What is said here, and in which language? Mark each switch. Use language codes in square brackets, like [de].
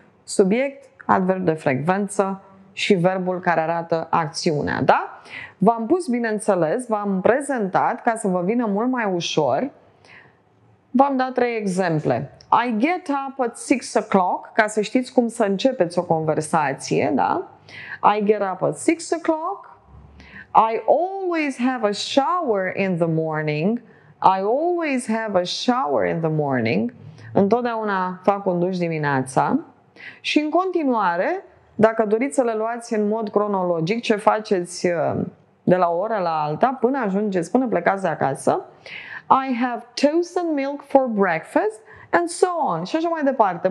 [ro] Subiect, adverb de frecvență și verbul care arată acțiunea. Da? V-am pus, bineînțeles, v-am prezentat ca să vă vină mult mai ușor. V-am dat 3 exemple. [en] I get up at 6 o'clock, [ro] ca să știți cum să începeți o conversație. [en] Da? I get up at 6 o'clock. I always have a shower in the morning. I always have a shower in the morning. [ro] Întotdeauna fac un duș dimineața. Și în continuare, dacă doriți să le luați în mod cronologic, ce faceți de la o oră la alta, până ajungeți, până plecați de acasă, [en] I have toast and milk for breakfast, and so on. [ro] Și așa mai departe.